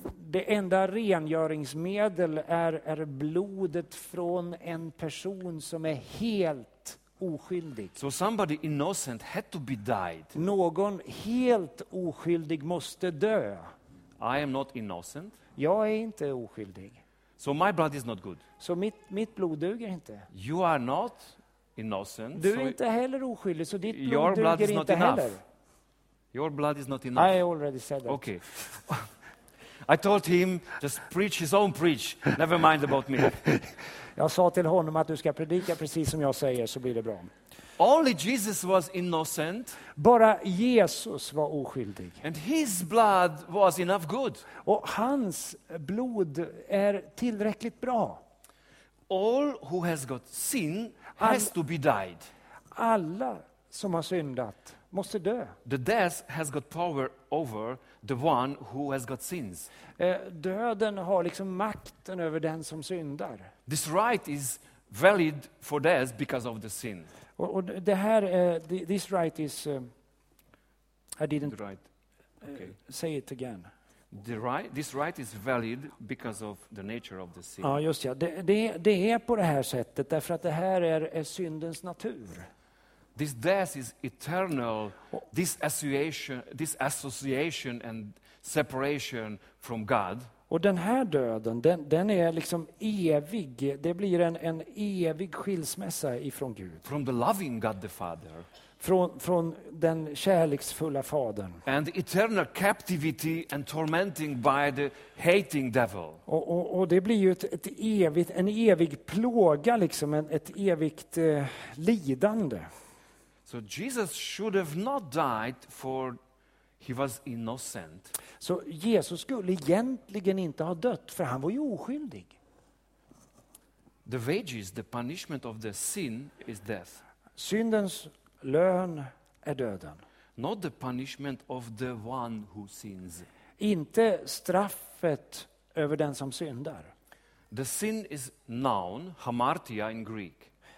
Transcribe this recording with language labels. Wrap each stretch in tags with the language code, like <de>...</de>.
<sv>Det enda rengöringsmedel är blodet från en person som är helt oskyldig.</sv> <en>So somebody innocent had to be died.</en> <sv>Någon helt oskyldig måste dö.</sv> <en>I am not innocent.</en> <sv>Jag är inte oskyldig.</sv> <en>So my blood is not good.</en> <sv>Så mitt blod duger inte.</sv> <en>You are not innocent.</en> <sv>Du är inte heller oskyldig, så ditt blod duger inte heller.</sv> <en>Your blood is not enough. I already said that. Okay. I told him just preach his own preach, never mind about me.</en> <sv>Jag sa till honom att du ska predika precis som jag säger så blir det bra.</sv> <en>Only Jesus was innocent.</en> <sv>Bara Jesus var oskyldig.</sv> <en>And his blood was enough good.</en> <sv>Och hans blod är tillräckligt bra.</sv> <en>All who has got sin has to be died.</en> <sv>Alla som har syndat måste dö.</sv> <en>The death has got power over the one who has got sins.</en> <sv>Döden har liksom makten över den som syndar.</sv> <en>This right is valid for death because of the sin.</en> <sv>Och det här</sv> <en>this right is I didn't right. Say it again. The right, this right is valid because of the nature of the sin.</en> <sv>Ja, just ja. Det är på det här sättet därför att det här är syndens natur.</sv> <en>This death is eternal, this association and separation from God.</en> <sv>Och den här döden, den är liksom evig. Det blir en evig skilsmässa ifrån Gud.</sv> <en>From the loving God the Father.</en> <sv>från den kärleksfulla fadern.</sv> <en>And eternal captivity and tormenting by the hating devil.</en> <sv>Och det blir ju en evig plåga liksom, ett evigt lidande.</sv> <en>So Jesus should have not died for he was innocent.</en> <sv>Så Jesus skulle egentligen inte ha dött, för han var ju oskyldig.</sv> <en>The wages, the punishment of the sin is death.</en> <sv>Syndens lön är döden.</sv> <en>Not the punishment of the one who sins.</en> <sv>Inte straffet över den som syndar.</sv> <en>The sin is noun, hamartia in Greek.</en>